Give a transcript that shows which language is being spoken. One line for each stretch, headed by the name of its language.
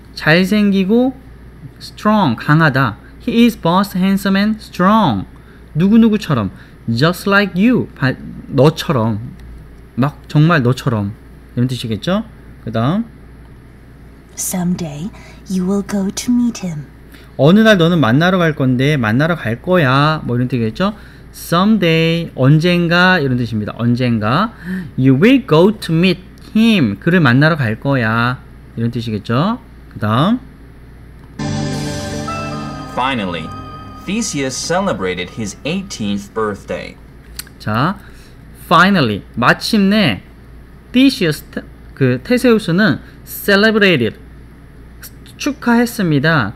Korean: 잘생기고. Strong. 강하다.
English: He is both handsome and strong.
Korean: 누구누구처럼. Just like you. 너처럼. 막, 정말 너처럼. 이런 뜻이겠죠? 그 다음.
English: Someday you will go to meet him.
Korean: 어느 날 너는 만나러 갈 건데, 만나러 갈 거야. 뭐 이런 뜻이겠죠? someday 언젠가 이런 뜻입니다. 언젠가
English: you will go to meet him
Korean: 그를 만나러 갈 거야 이런 뜻이겠죠. 그 다음
English: finally Theseus celebrated his 18th birthday.
Korean: 자 finally 마침내 Theseus 그 테세우스는
English: celebrated
Korean: 축하했습니다.